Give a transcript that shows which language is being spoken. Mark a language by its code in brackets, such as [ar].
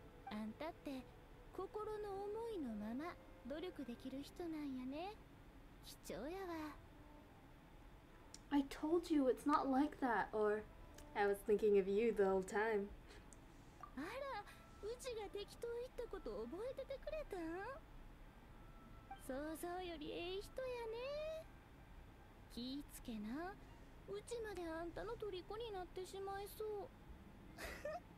[ja] あんたって心の思いのまま努力できる人なんやね。貴重やわ。 [en] I told you it's not like that, or I was thinking of you the whole time. [ja] あら、うちが適当言ったこと覚えててくれたん？想像よりええ人やね。気ぃつけな、うちまであんたの虜になってしまいそう。